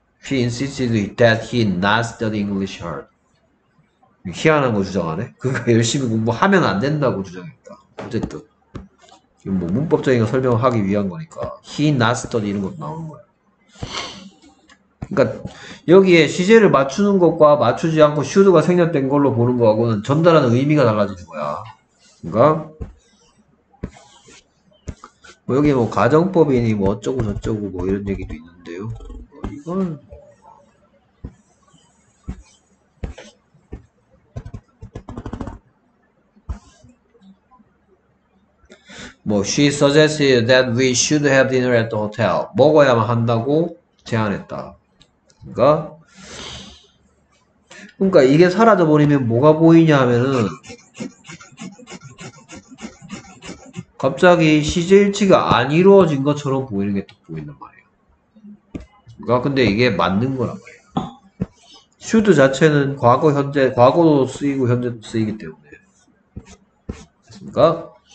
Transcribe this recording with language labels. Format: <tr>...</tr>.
<en>He insisted that he not study English hard.</en> <ko>희한한 거 주장하네. 그러니까 열심히 공부하면 안 된다고 주장했다. 어쨌든 이건 뭐 문법적인 거 설명을 하기 위한 거니까</ko> <en>he not study</en> <ko>이런 것도 나오는 거야. 그러니까 여기에 시제를 맞추는 것과 맞추지 않고 should가 생략된 걸로 보는 거하고는 전달하는 의미가 달라지는 거야. 그러니까 뭐 여기 뭐 가정법이니 뭐 어쩌고 저쩌고 뭐 이런 얘기도 있는데요. 이건 뭐</ko> <en>she suggested that we should have dinner at the hotel.</en> <ko>먹어야만 한다고 제안했다. 그러니까 이게 사라져 버리면 뭐가 보이냐 하면은 갑자기 시제일치가 안 이루어진 것처럼 보이는 게딱 보이는 말이에요. 그러니까 근데 이게 맞는 거란 말이에요. should 자체는 과거 현재 과거도 쓰이고 현재도 쓰이기 때문에 됐습니까?</ko>